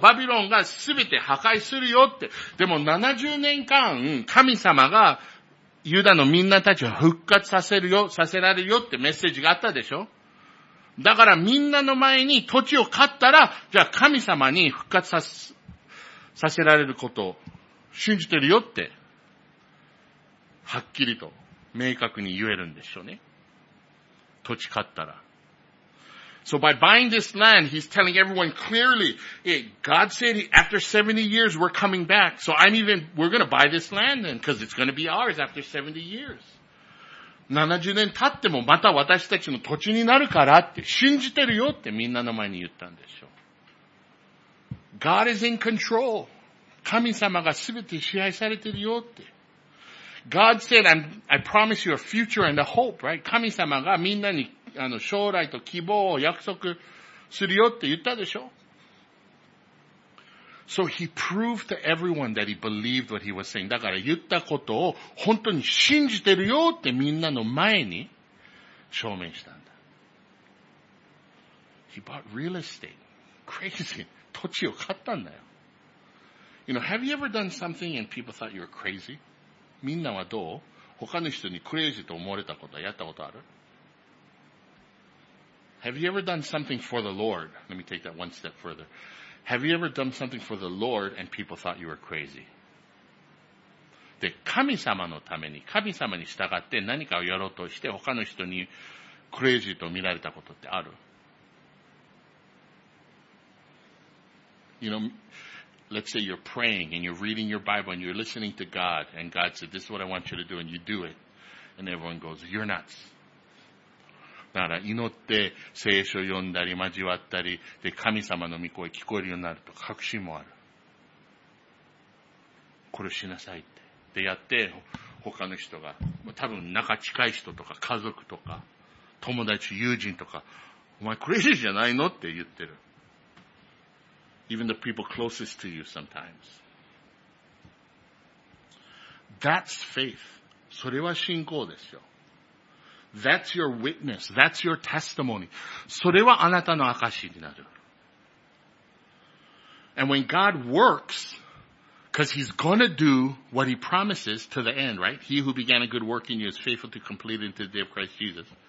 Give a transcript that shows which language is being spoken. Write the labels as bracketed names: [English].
[Japanese] バビロンがすべて破壊するよって。でも70年間、神様がユダのみんなたちを復活させるよ、させられるよってメッセージがあったでしょ。だからみんなの前に土地を買ったら、じゃあ神様に復活させられることを信じてるよって、はっきりと明確に言えるんでしょうね。土地買ったら。 [English] So by buying this land, he's telling everyone clearly, hey, God said after 70 years we're coming back. So we're going to buy this land then because it's going to be ours after 70 years. [Japanese] 70年経ってもまた私たちの土地になるからって信じてるよってみんなの前に言ったんでしょ。 [English] God is in control. [Japanese] 神様が全て支配されてるよって。 [English] God said, I promise you a future and a hope, right? [Japanese] 神様がみんなに将来と希望を約束するよって言ったでしょ? [English] So he proved to everyone that he believed what he was saying. [Japanese] だから言ったことを本当に信じてるよってみんなの前に証明したんだ。 [English] He bought real estate. Crazy. [Japanese] 土地を買ったんだよ。 [English] You know, have you ever done something and people thought you were crazy? [Japanese] みんなはどう? 他の人にクレイジーと思われたことはやったことある? [English] Have you ever done something for the Lord? Let me take that one step further. Have you ever done something for the Lord and people thought you were crazy? [Japanese] で、神様のために、神様に従って何かをやろうとして他の人にクレイジーと見られたことってある? [English] You know,Let's say you're praying and you're reading your Bible and you're listening to God and God said, this is what I want you to do and you do it. And everyone goes, you're nuts. [Japanese] だから祈って聖書を読んだり交わったりで神様の御声聞こえるようになると確信もある。これしなさいって。でやって他の人が多分仲近い人とか家族とか友達友人とかお前クレイジーじゃないのって言ってる。 [English] Even the people closest to you sometimes. That's faith. [Japanese] それは信仰ですよ。 [English] That's your witness. That's your testimony. [Japanese] それはあなたの証になる。 [English] And when God works, because he's gonna do what he promises to the end, right? He who began a good work in you is faithful to complete it until the day of Christ Jesus.